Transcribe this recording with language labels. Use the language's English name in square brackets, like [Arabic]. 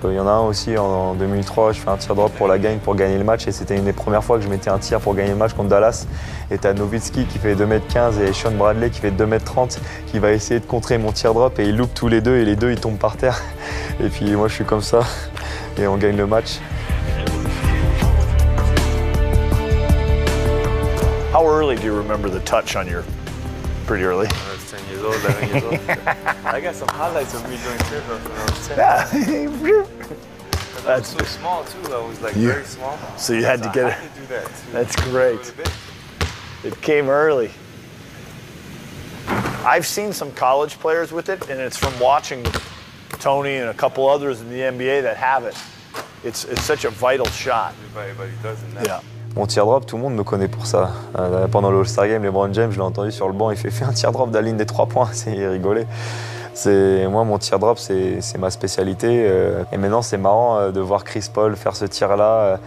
[French] Il y en a un aussi en 2003, je fais un tir drop pour la gagne, pour gagner le match. Et c'était une des premières fois que je mettais un tir pour gagner le match contre Dallas. Et t'as Nowitzki qui fait 2m15 et Sean Bradley qui fait 2m30 qui va essayer de contrer mon tir drop et ils loupent tous les deux et les deux ils tombent par terre. Et puis moi je suis comme ça et on gagne le match. [English] How early do you remember the touch on your... Pretty early. 10 years old, 11 years old. I got some highlights of me doing triples when I was 10. Yeah. That's so small too. I was like very small. So you had to get it. I had to do that too. That's great. It came early. I've seen some college players with it, and it's from watching Tony and a couple others in the NBA that have it. It's such a vital shot. Yeah. [French] Mon tir drop, tout le monde me connaît pour ça. Pendant le All-Star Game, LeBron James, je l'ai entendu sur le banc, il fait un tir drop de la ligne des 3 points, c'est rigolé. C'est, moi, mon tir drop, c'est ma spécialité. Et maintenant, c'est marrant de voir Chris Paul faire ce tir-là.